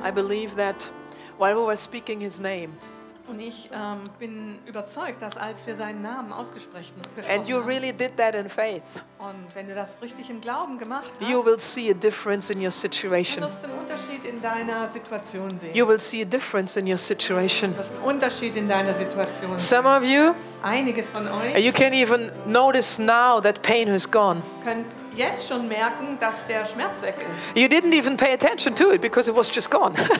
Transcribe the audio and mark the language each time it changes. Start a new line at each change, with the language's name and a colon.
English: I believe that while we were speaking his name,
German: und ich bin überzeugt, dass als wir seinen Namen ausgesprochen haben,
English: and you really did that in faith,
German: und wenn du das richtig im Glauben gemacht hast,
English: you will see a difference in your situation.
German: Du wirst einen Unterschied in deiner Situation sehen.
English: You will see a difference in your situation.
German: Du wirst einen Unterschied in deiner Situation sehen.
English: Some of you,
German: einige von euch,
English: you can even notice now that pain has gone.
German: Könnt jetzt schon merken, dass der Schmerz weg ist.
English: You didn't even pay attention to it because it was just gone.